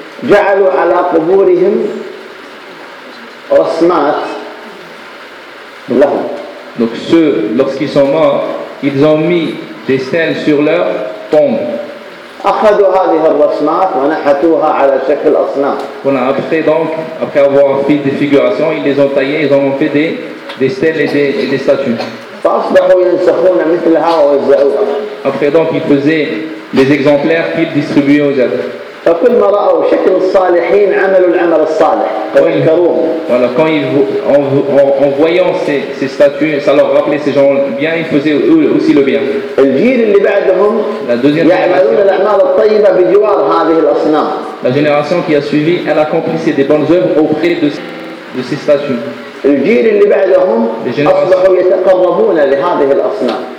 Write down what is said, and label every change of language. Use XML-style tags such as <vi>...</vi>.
<ar>جعلوا على قبورهم رسمات لهم.</ar> <fr>Donc ceux, lorsqu'ils sont morts, ils ont mis des stèles sur leur tombe.</fr> <ar>أخذوا هذه الرسمات ونحتوها على شكل أصنام.</ar> <fr>Voilà, après avoir fait des figurations, ils les ont taillées, ils ont fait des stèles et des statues.</fr> <ar>فأصبحوا ينسخون مثلها ويوزعوها.</ar> <fr>Après donc, ils faisaient les exemplaires qu'ils distribuaient aux autres.</fr> <ar>فكلما رأوا شكل الصالحين عملوا العمل الصالح فذكروهم.</ar> <fr>Voilà, quand ils en voyant ces statues, ça leur rappelait ces gens bien, ils faisaient eux aussi le bien.</fr> <ar>الجيل اللي بعدهم يعملون الأعمال الطيبة بجوار هذه الأصنام.</ar> <fr>La génération qui a suivi, elle accomplissait des bonnes œuvres auprès de ces statues.</fr> <ar>الجيل اللي بعدهم أصبحوا يتقربون لهذه الأصنام.</ar>